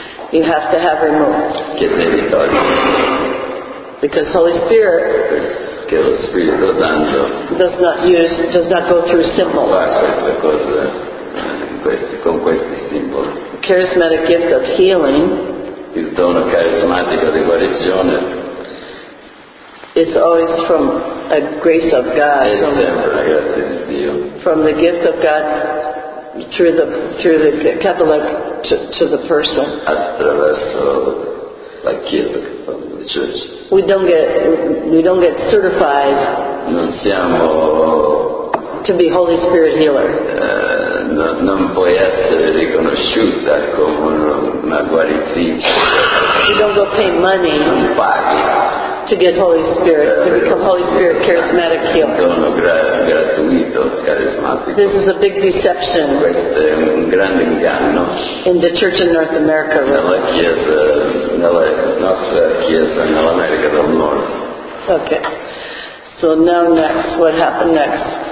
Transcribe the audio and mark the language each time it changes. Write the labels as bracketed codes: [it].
[en] You have to have removed. [it] Che devi togliere. [en] Because Holy Spirit. [it] Che lo Spirito Santo. [en] Does not go through symbols. [it] Fa queste cose, con questi simboli. [en] Charismatic gift of healing. [it] Il dono carismatico di guarigione. [en] It's always from a grace of God. [it] È sempre la grazia di Dio. [en] From the gift of God through the Catholic to the person. [it] Attraverso la Chiesa Cattolica, [en] the Church. We don't get certified. [it] Non siamo. [en] To be Holy Spirit healer. [it] Non puoi essere riconosciuta come una guaritrice. [en] You don't go pay money. [it] Non paghi. [en] to get Holy Spirit, to become Holy Spirit charismatic healer. [it] Dono gratuito, carismatico. [en] This is a big deception. [it] Questo è un grande inganno. [en] In the church in North America, right? [it] Nella chiesa, nella nostra chiesa, nell'America del Nord. [en] Okay. So now next, what happened next?